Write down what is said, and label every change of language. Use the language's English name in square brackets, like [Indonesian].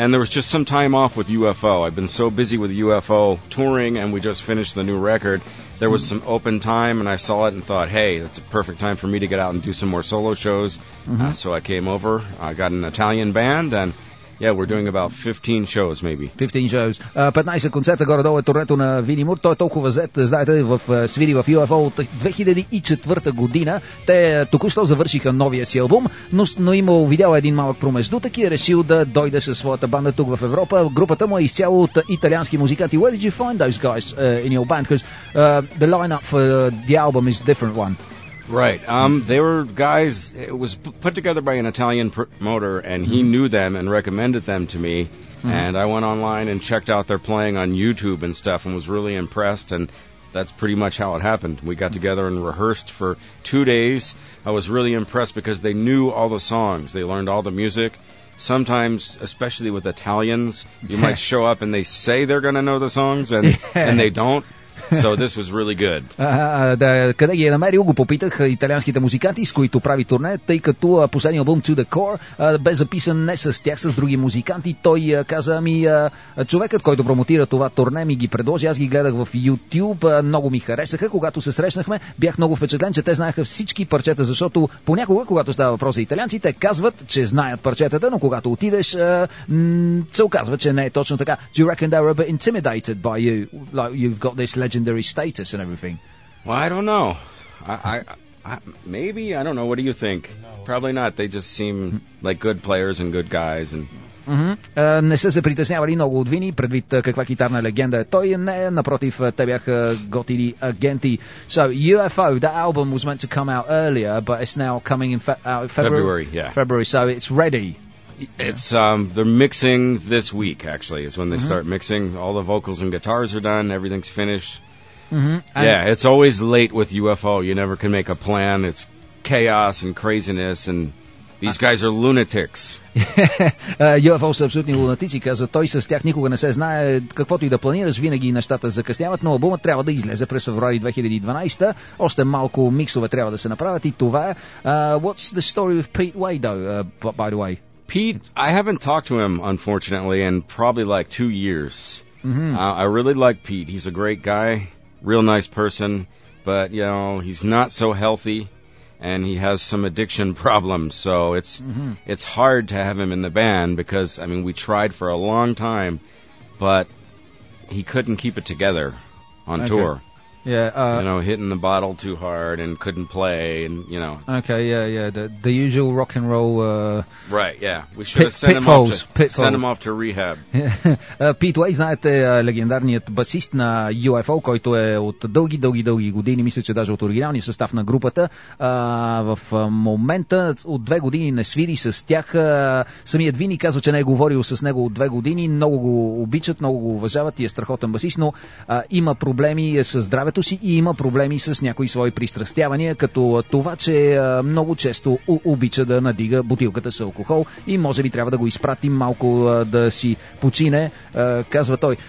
[English] And there was just some time off with UFO. I've been so busy with UFO touring, and we just finished the new record. There was some open time, and I saw it and thought, hey, that's a perfect time for me to get out and do some more solo shows. Mm-hmm. So I came over, I got an Italian band, and yeah, we're doing about 15 shows, maybe. 15 shows. [Bulgarian] 15 концерта горе-долу е турнето на Вини Мур. Той е толкова зет, знаете, в свири в UFO от 2004 година. Те току-що завършиха новия си албум, но имал видял един малък промеждутък и е решил да дойде със своята банда тук в Европа. Групата му е изцяло от италиански музиканти. [English] Where did you find those guys in your band? Because the lineup for the album is a different one. Right. They were guys, it was put together by an Italian promoter, and he knew them and recommended them to me, and I went online and checked out their playing on YouTube and stuff and was really impressed, and that's pretty much how it happened. We got together and rehearsed for 2 days. I was really impressed because they knew all the songs. They learned all the music. Sometimes, especially with Italians, you might show up and they say they're going to know the songs and they don't. So this was really good. [Bulgarian] Да, къде ги е намерил, го попитах италианските музиканти, с които прави турне, тъй като последния албум To The Core бе записан не с тях, с други музиканти. Той каза, ами човекът, който промотира това турне, ми ги предложи. Аз ги гледах в YouTube, много ми харесаха. Когато се срещнахме, бях много впечатлен, че те знаеха всички парчета, защото понякога, когато става въпрос за италианци, те казват, че знаят парчетата, но когато отидеш, се оказва, че не е точно така. [English] Do you reckon they're a bit intimidated by you? Like you've got this legendary status and everything. Well, I don't know. I maybe I don't know. What do you think? No. Probably not. They just seem like good players and good guys and [Bulgarian] Не са се притеснявали много от Вини, предвид каква китарна легенда е той. Не, напротив, те бяха готини агенти. [English] So, UFO, that album was meant to come out earlier, but it's now coming in February. So it's ready. It's they're mixing this week, actually, is when they start mixing. All the vocals and guitars are done, everything's finished. Yeah, it's always late with UFO. You never can make a plan. It's chaos and craziness, and these guys are lunatics. [Bulgarian] UFO са абсолютни лунатици, каза той. С тях никога не се знае каквото и да планираш, винаги нещата закъсняват, но албумът трябва да излезе през феврари 2012. Още малко миксове трябва да се направят и това. [English] What's the story with Pete Way, though, by the way? Pete, I haven't talked to him, unfortunately, in probably like 2 years. I really like Pete. He's a great guy, real nice person, but, you know, he's not so healthy, and he has some addiction problems, so it's hard to have him in the band because, I mean, we tried for a long time, but he couldn't keep it together on tour. Yeah, you know, hitting the bottle too hard and couldn't play, and you know. Okay, yeah, the usual rock and roll. Right, yeah, we should have sent pitfalls, him off. Send him off to rehab. [Bulgarian] Pete Way, знаете, легендарният басист на UFO, който е от дълги години, мисля, че даже от оригиналния състав на групата, в момента от 2 години не свири с тях. Самият Вини казва, че не е говорил с него от 2 години. Много го обичат, много го уважават и е страхотен басист, но има проблеми с здравето си и има проблеми с някои свои пристрастявания, като това, че много често обича да надига бутилката с алкохол и може би трябва да го изпратим малко да си почине, казва той.